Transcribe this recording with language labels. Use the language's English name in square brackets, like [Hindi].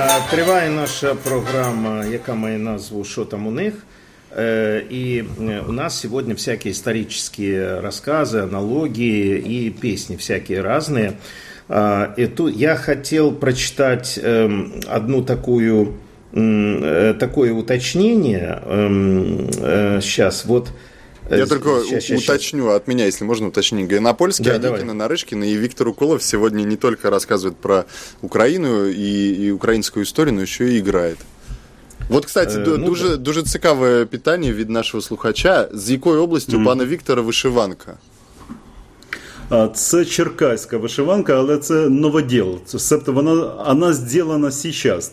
[Ukrainian] Триває наша програма, яка має назву «Що там у них?». [Russian] И у нас сегодня всякие исторические рассказы, аналогии и песни всякие разные. И тут я хотел прочитать одну такую, такое уточнение. Сейчас, вот. Я только уточню от меня, если можно, уточнить. Гонопольский, Аникина, Нарышкина и Виктор Уколов сегодня не только рассказывает про Украину и украинскую историю, но еще и играет. Вот, кстати, [Ukrainian] дуже цікаве питання від нашого слухача. З якої області у пана Віктора вишиванка? Це черкаська вишиванка, але це новоділ. Тобто вона зроблена зараз.